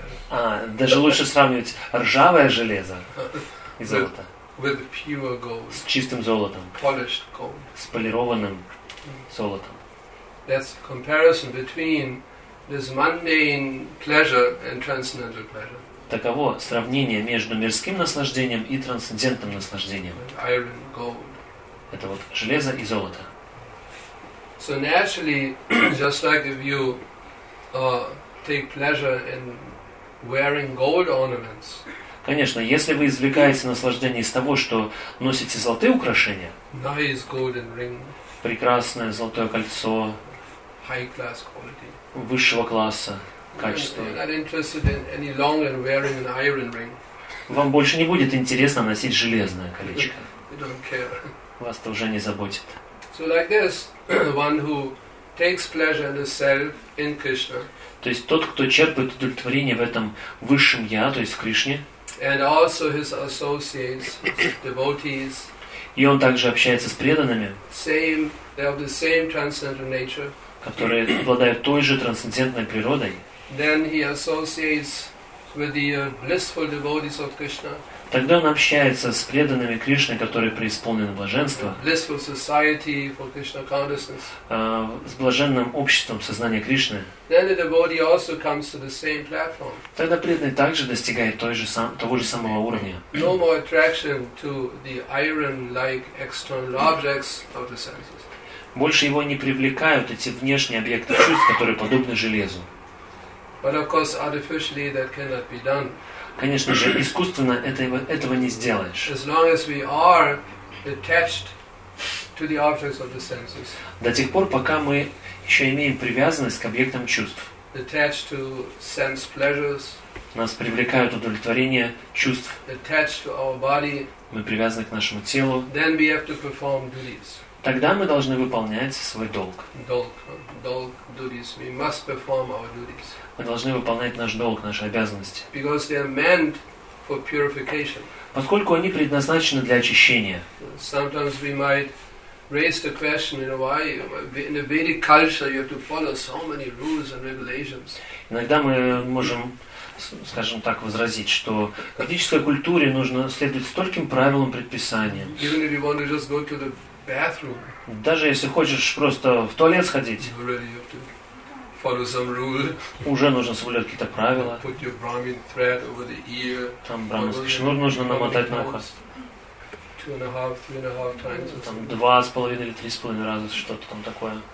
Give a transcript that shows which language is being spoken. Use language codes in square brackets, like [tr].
[ru] А, даже лучше сравнивать ржавое железо и золото. [en] With pure gold. [ru] С чистым золотом. [en] Polished gold. [ru] С полированным золотом. [en] That's comparison between this mundane pleasure and transcendental pleasure. [ru] Таково сравнение между мирским наслаждением и трансцендентным наслаждением. [en] Iron, gold. [ru] Это вот железо и золото. [en] So naturally, just like if you take pleasure in wearing gold ornaments. [ru] Конечно, если вы извлекаете наслаждение из того, что носите золотые украшения. [en] Nice golden ring. [ru] Прекрасное золотое кольцо. [en] High class quality. [ru] Высшего класса качества. [en] You're not interested in any longer wearing an iron ring. [ru] Вам больше не будет интересно носить железное колечко. [en] You don't care. [ru] Вас это уже не заботит. [en] So like this, one who takes pleasure in the self in Krishna. [ru] То есть тот, кто черпает удовлетворение в этом высшем я, то есть в Кришне. [en] And also his associates, devotees. [ru] И он также общается с преданными. [en] Same, they have the same transcendental nature. [ru] Которые обладают той же трансцендентной природой. [en] Then he associates with the blissful devotees of Krishna. [ru] Тогда он общается с преданными Кришны, которые преисполнены блаженства, с блаженным обществом сознания Кришны. [en] Then the devotee also comes to the same platform. [ru] Тогда преданный также достигает того же самого уровня. [en] No more attraction to the iron-like external objects of the senses. [ru] Больше его не привлекают эти внешние объекты чувств, которые подобны железу. [en] But of course, artificially that cannot be done. [ru] Конечно же, искусственно этого не сделаешь. [en] As long as we are attached to the objects of the senses. [ru] До тех пор, пока мы еще имеем привязанность к объектам чувств. [en] Attached to sense pleasures. [ru] Нас привлекают удовлетворение чувств. [en] Attached to our body. [ru] Мы привязаны к нашему телу. [en] Then we have to perform duties. [ru] Тогда мы должны выполнять свой долг. Долг, [en] duties. We must perform our duties. [ru] Мы должны выполнять наш долг, наши обязанности. [en] Because they are meant for purification. [ru] Поскольку они предназначены для очищения. [en] Sometimes we might raised a question, you know, why in a Vedic culture you have to follow so many rules and regulations. [ru] Иногда мы можем, скажем так, возразить, что в ведической культуре нужно следовать стольким правилам, предписаниям. [en] Even if you want to just go to the bathroom. [ru] Даже если хочешь просто в туалет сходить. [en] You already have to follow some rule. [ru] Уже нужно соблюдать какие-то правила. [en] Put your Brahmin thread over the ear. [ru] Там брахманский шнур нужно намотать на ухо. Там 2.5 или 3.5 раза что-то там такое.